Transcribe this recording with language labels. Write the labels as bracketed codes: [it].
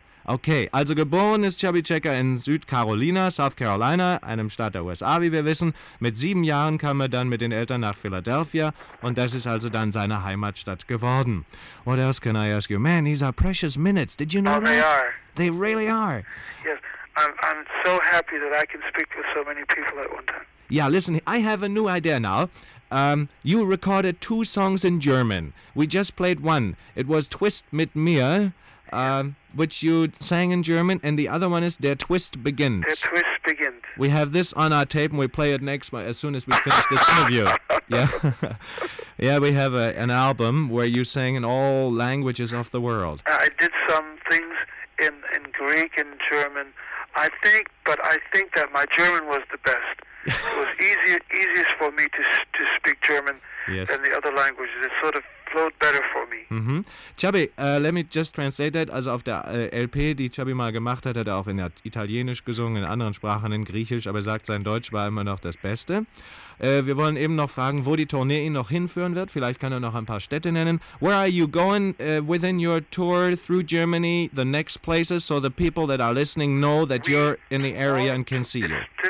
[de] Okay, also geboren ist Chubby Checker in Süd Carolina, South Carolina, einem Staat der USA, wie wir wissen. Mit 7 Jahren kam er dann mit den Eltern nach Philadelphia und das ist also dann seine Heimatstadt geworden. [en] What else can I ask you? Man, these are precious minutes. Did you know that? They are. They really are. Yes, I'm so happy that I can speak with so many people at one time. Yeah, listen, I have a new idea now. You recorded 2 songs in German. We just played one. It was Twist mit mir, which you sang in German, and the other one is Der Twist beginnt. [de] Der Twist beginnt. [en] We have this on our tape, and we play it next as soon as we finish this interview. Yeah, yeah, we have an album where you sang in all languages of the world. I did some things in Greek and German, I think that my German was the best. It was easiest for me to speak German, yes, than the other languages. It sort of flowed better for me. Mm-hmm. Chubby, let me just translate that. [de] Also auf der LP, die Chubby mal gemacht hat, hat er auch in Italienisch gesungen, in anderen Sprachen, in Griechisch, aber er sagt, sein Deutsch war immer noch das Beste. Wir wollen eben noch fragen, wo die Tournee ihn noch hinführen wird. Vielleicht kann er noch ein paar Städte nennen. [en] Where are you going within your tour through Germany, the next places, so the people that are listening know that you're in the area and can see you?